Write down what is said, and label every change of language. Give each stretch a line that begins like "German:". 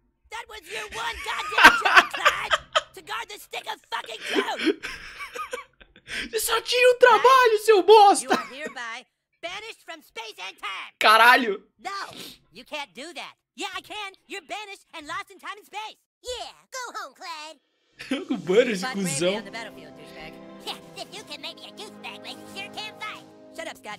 English: That was your one goddamn job, Clyde! To guard the stick of fucking truth!
Portuguese: Só tinha um trabalho, seu bosta!
English: You are hereby banished from space and time!
Portuguese: Caralho!
English: No! You can't do that! Yeah, I can! You're banished and lost in time and space! Yeah, go home, Clyde!
Portuguese: O Butters, cuzão!
English: Yeah, if you can make me a douchebag, we sure can fight! Shut up, Scott.